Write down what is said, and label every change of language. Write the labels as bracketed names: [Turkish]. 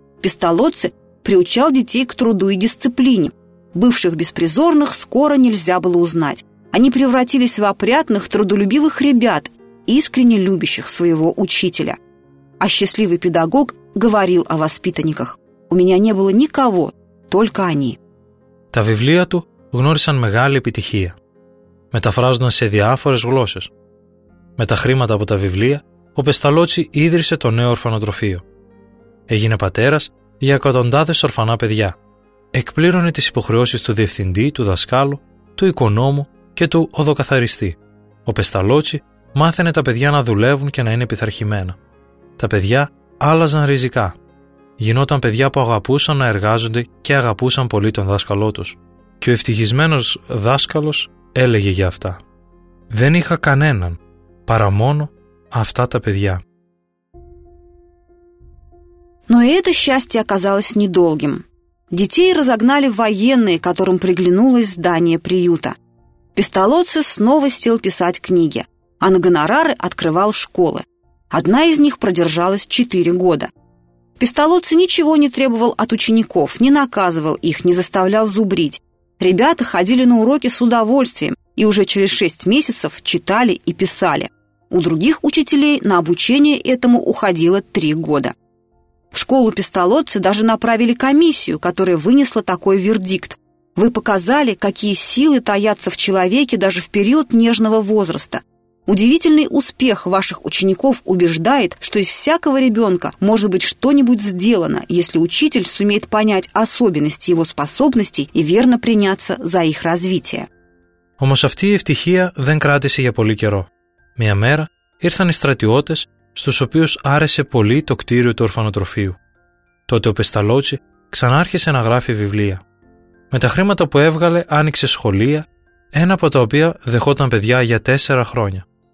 [Russian] Пестолоцци приучал детей к труду и дисциплине. Бывших беспризорных скоро нельзя было узнать. Они превратились в опрятных, трудолюбивых ребят, искренне любящих своего учителя. А счастливый педагог говорил о воспитанниках. У меня не было никого, только они. [Greek] Τα βιβλία του γνώρισαν μεγάλη επιτυχία. Μεταφράζονταν σε διάφορες γλώσσες. Με τα χρήματα από τα βιβλία, ο Πεσταλόγγι ίδρυσε το νέο ορφανοτροφείο. Έγινε πατέρας για εκατοντάδες ορφανά παιδιά. Εκπλήρωνε τις υποχρεώσεις του διευθυντή, του δασκάλου, του οικονόμου και του οδοκαθαριστή. Ο Πεσταλόγγι μάθαινε τα παιδιά να δουλεύουν και να είναι πειθαρχημένα. Τα παιδιά άλλαζαν ριζικά. Γινόταν παιδιά που αγαπούσαν να εργάζονται και αγαπούσαν πολύ τον δάσκαλό τους. Και ο ευτυχισμένος δάσκαλος έλεγε για αυτά. Δεν είχα κανέναν, παρά μόνο αυτά τα παιδιά. [Russian] Но это счастье оказалось недолгим. Детей разогнали военные, которым приглянулось здание приюта. Пестолоцци снова стал писать книги, а на гонорары открывал школы. Одна из них продержалась 4 года. Пестолоцци ничего не требовал от учеников, не наказывал их, не заставлял зубрить. Ребята ходили на уроки с удовольствием и уже через 6 месяцев читали и писали. У других учителей на обучение этому уходило 3 года. В школу Пестолоцци даже направили комиссию, которая вынесла такой вердикт. Вы показали, какие силы таятся в человеке даже в период нежного возраста. Удивительный успех ваших учеников убеждает, что из всякого ребенка может быть что-нибудь сделано, если учитель сумеет понять особенности его способностей и верно приняться за их развитие. [Greek] Όμως αυτή η ευτυχία δεν κράτησε για πολύ καιρό. Μια μέρα ήρθαν οι στρατιώτες, στους οποίους άρεσε πολύ το κτίριο του ορφανοτροφείου. Τότε ο Πεσταλόγγι ξανάρχισε να γράφει βιβλία. Με τα χρήματα που έβγαλε άνοιξε σχολεία, ένα από τα οποία δεχόταν παιδιά για 4 χρόνια.